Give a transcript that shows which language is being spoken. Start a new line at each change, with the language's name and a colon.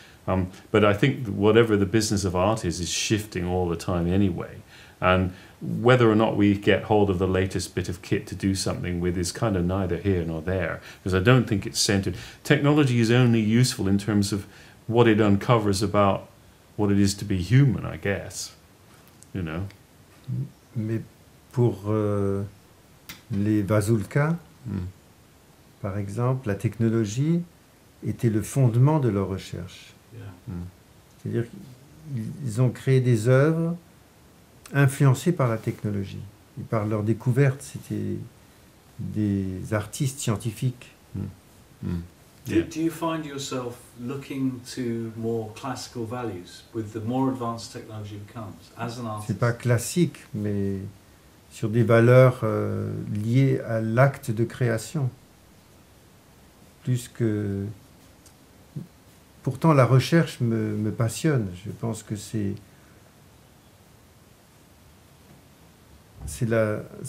English: But I think whatever the business of art is shifting all the time anyway. And whether or not we get hold of the latest bit of kit to do something with is kind of neither here nor there, because I don't think it's centered. Technology is only useful in terms of what it uncovers about what it is to be human, I guess. You know?
French: Mais pour les Vazulka, par exemple, la technologie était le fondement de leur recherche. C'est-à-dire qu'ils ont créé des œuvres influencés par la technologie et par leur découverte. C'était des artistes scientifiques.
English: Do you find yourself looking to more classical values with the more advanced technology becomes as an artist?
French: C'est pas classique, mais sur des valeurs liées à l'acte de création. Plus que... Pourtant, la recherche me passionne. Je pense que c'est la...